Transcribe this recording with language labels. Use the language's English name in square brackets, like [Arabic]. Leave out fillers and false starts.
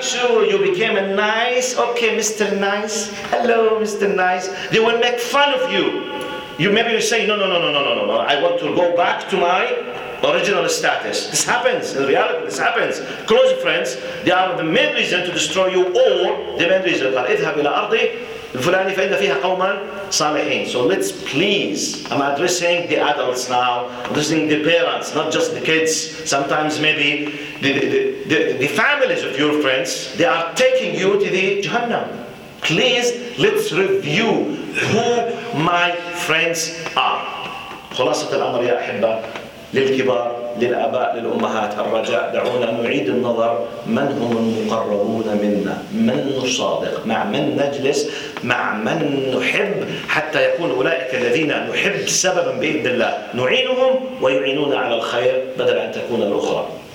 [English] Sure, you became a nice, okay, Mr. Nice. Hello, Mr. Nice. They will make fun of you. You maybe you say, no, I want to go back to my original status. This happens, in reality, this happens. Close friends, they are the main reason to destroy you, or the main reason. [Arabic] اذهب إلى أرضي الفلاني فإن فيها قوما صالحين. [English] So let's please, I'm addressing the adults now, addressing the parents, not just the kids. Sometimes maybe the families of your friends, they are taking you to the Jahannam. Please, let's review who my friends are. [Arabic] خلاصة الأمر يا أحبة للكبار للأباء للأمهات الرجاء دعونا نعيد النظر من هم المقربون منا من نصادق مع من نجلس مع من نحب حتى يكون أولئك الذين نحب سببا بإذن الله نعينهم ويعينون على الخير بدل أن تكون الأخرى.